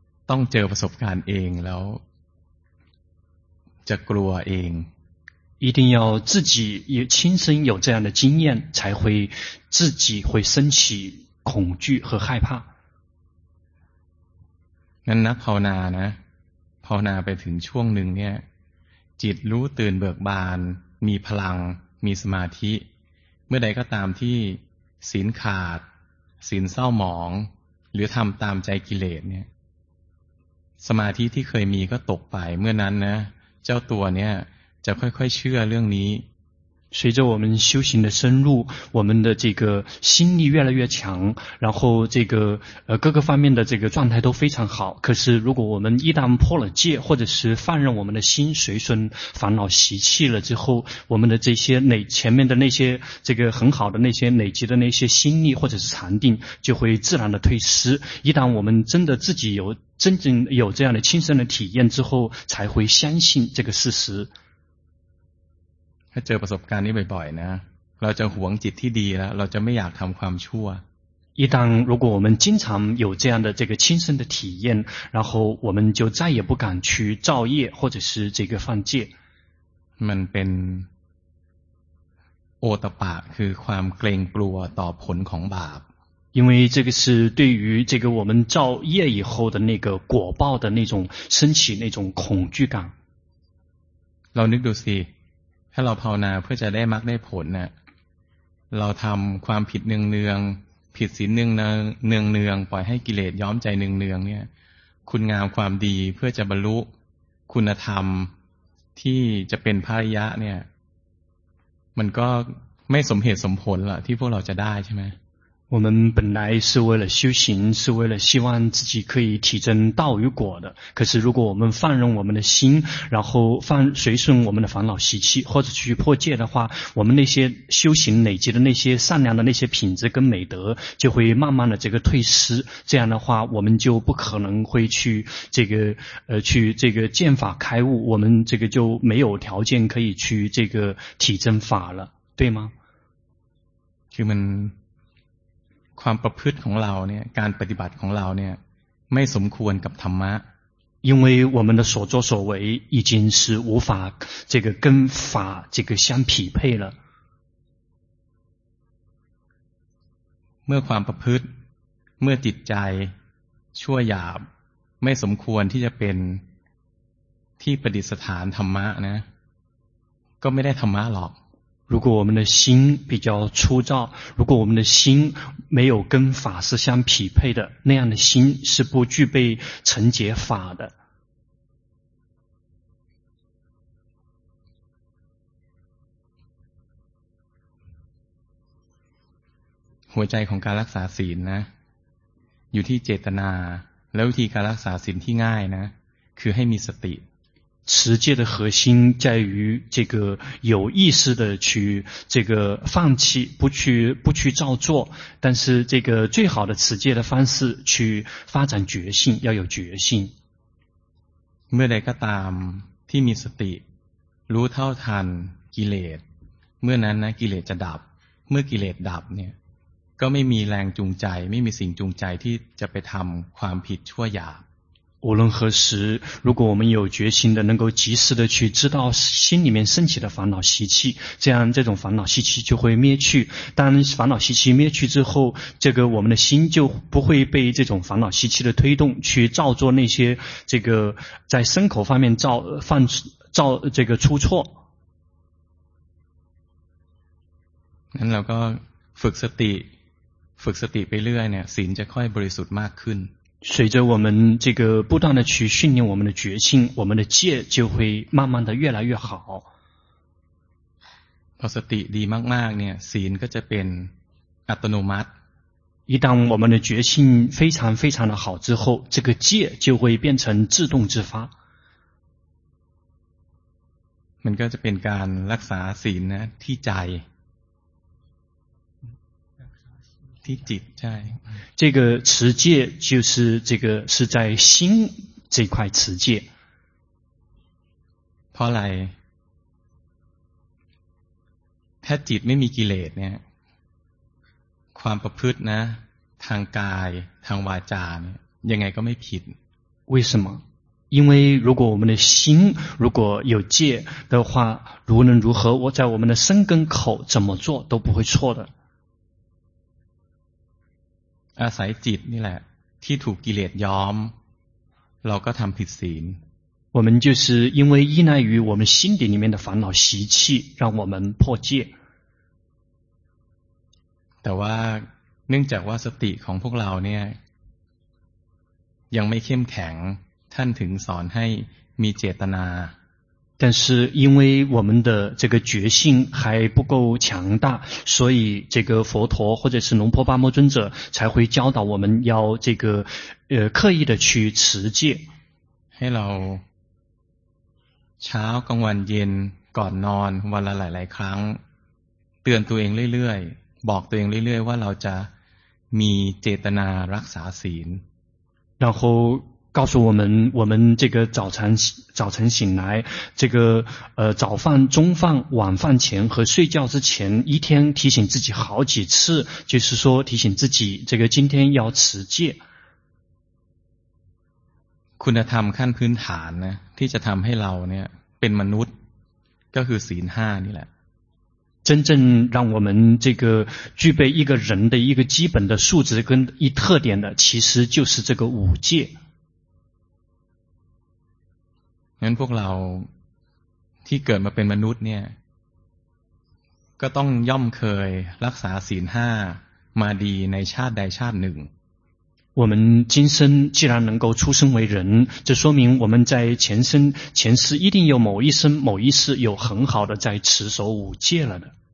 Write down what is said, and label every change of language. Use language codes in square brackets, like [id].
[th] ต้องเจอประสบการณ์เองแล้วจะกลัวเอง [zh] 一定要自己也亲身有这样的经验才会自己会升起恐惧和害怕 [th] งั้นนะภาวนานะภาวนาไปถึงช่วงหนึ่งเนี่ยจิตรู้ตื่นเบิกบานมีพลังมีสมาธิเมื่อใดก็ตามที่ศีลขาดศีลเศร้าหมองหรือทำตามใจกิเลสเนี่ยสมาธิที่เคยมีก็ตกไปเมื่อนั้นนะเจ้าตัวเนี่ยจะค่อยๆเชื่อเรื่องนี้ [zh] 随着我们修行的深入我们的这个心力越来越强然后这个各个方面的这个状态都非常好可是如果我们一旦破了戒或者是放任我们的心随顺烦恼习气了之后我们的这些前面的那些这个很好的那些累积的那些心力或者是禅定就会自然的退失一旦我们真的自己有真正有这样的亲身的体验之后才会相信这个事实 [th] ถ้าเจอประสบการณ์นี้บ่อยๆนะเราจะหวงจิตที่ดีแล้วเราจะไม่อยากทำความชั่ว [zh] 一旦如果我们经常有这样的这个亲身的体验然后我们就再也不敢去造业或者是这个犯戒 [th] มันเป็นโอตปะคือความเกรงกลัวต่อผลของบาป [zh] 因为这个是对于这个我们造业以后的那个果报的那种升起那种恐惧感 [th] เรานึกดูสิถ้าเราภาวนาเพื่อจะได้มรรคได้ผลนะเราทำความผิดเนืองๆผิดศีลเนืองๆปล่อยให้กิเลสย้อมใจเนืองๆเนี่ยคุณงามความดีเพื่อจะบรรลุคุณธรรมที่จะเป็นพระอริยะเนี่ยมันก็ไม่สมเหตุสมผลล่ะที่พวกเราจะได้ใช่ไหม [zh] 我们本来是为了修行，是为了希望自己可以体证道与果的。可是如果我们放任我们的心，然后放随顺我们的烦恼习气，或者去破戒的话，我们那些修行累积的那些善良的那些品质跟美德就会慢慢的这个退失。这样的话我们就不可能会去这个去这个见法开悟，我们这个就没有条件可以去这个体证法了，对吗？请问 [th] ความประพฤติของเราเนี่ยการปฏิบัติของเราเนี่ยไม่สมควรกับธรรมะ [zh] 因为我们的所作所为已经是无法这个跟法这个相匹配了 [th] เมื่อความประพฤติเมื่อจิตใจชั่วหยาบไม่สมควรที่จะเป็นที่ประดิษฐานธรรมะนะก็ไม่ได้ธรรมะหรอก [zh] 如果我们的心比较粗糙，如果我们的心没有跟法是相匹配的，那样的心是不具备承接法的。 [th] หัวใจของการรักษาศีลนะอยู่ที่เจตนาแล้ววิธีการรักษาศีลที่ง่ายนะคือให้มีสติ [zh] 持戒的核心在于这个有意识的去这个放弃不去照做，但是这个最好的持戒的方式去发展觉性，要有觉性。 [th] เมื่อใดก็ตามที่มีสติรู้เท่าทันกิเลสเมื่อนั้นนะกิเลสจะดับเมื่อกิเลสดับเนี่ยก็ไม่มีแรงจูงใจไม่มีสิ่งจูงใจที่จะไปทำความผิดชั่วหยาบ [zh] 无论何时，如果我们有决心的，能够及时的去知道心里面升起的烦恼习气，这样这种烦恼习气就会灭去。当烦恼习气灭去之后，这个我们的心就不会被这种烦恼习气的推动去造作那些这个在身口方面造这个出错。 [th] 那เราก็ฝึกสติไปเรื่อยเนี่ยศีลจะค่อยบริสุทธิ์มากขึ้น [zh] 随着我们这个不断的去训练我们的觉性，我们的戒就会慢慢的越来越好。 [th] พอสติดีมากๆเนี่ยศีลก็จะเป็นอัตโนมัติ [zh] 一旦我们的觉性非常非常的好之后，这个戒就会变成自动自发。 [th] มันก็จะเป็นการรักษาศีลนะที่ใจที่จิตใช่ [zh] 这个持戒就是这个是在心这块持戒 [th] เพราะอะไรถ้าจิตไม่มีกิเลสเนี่ยความประพฤตินะทางกายทางวาจาเนี่ยยังไงก็ไม่ผิด [zh] 为什么因为如果我们的心如果有戒的话无论如何我在我们的身跟口怎么做都不会错的 [th] อาศัยจิตนี่แหละที่ถูกกิเลสย้อมเราก็ทำผิดศีล [zh] 我们就是因为依赖于我们心底里面的烦恼习气让我们破戒 [th] แต่ว่าเนื่องจากว่าสติของพวกเราเนี่ยยังไม่เข้มแข็งท่านถึงสอนให้มีเจตนา [zh] 但是因为我们的这个觉性还不够强大，所以这个佛陀或者是龙婆巴摩尊者才会教导我们要这个刻意的去持戒。 [th] Hello， [zh] 早、跟晚、夜、 [th] ก่อนนอน、วันละหลายๆครั้ง、เตือนตัวเองเรื่อยๆ、บอกตัวเองเรื่อยๆว่าเราจะมีเจตนารักษาศีล。 [zh] 然后告诉我们这个早晨醒来，这个早饭、中饭、晚饭前和睡觉之前，一天提醒自己好几次，就是说提醒自己这个今天要持戒。 [th] คุณธรรมขั้นพื้นฐานนะที่จะทำให้เราเนี่ยเป็นมนุษย์ก็คือศีลห้านี่แหละ [zh] 真正让我们这个具备一个人的一个基本的素质跟一特点的，其实就是这个五戒。 [th] งั้นพวกเราที่เกิดมาเป็นมนุษย์เนี่ยก็ต้องย่อมเคยรักษาศีลห้ามาดีในชาติใดชาติหนึ่ง [zh] 我们今生既然能够出生为人，这说明我们在前生前世一定有某一生某一世有很好的在持守五戒了的。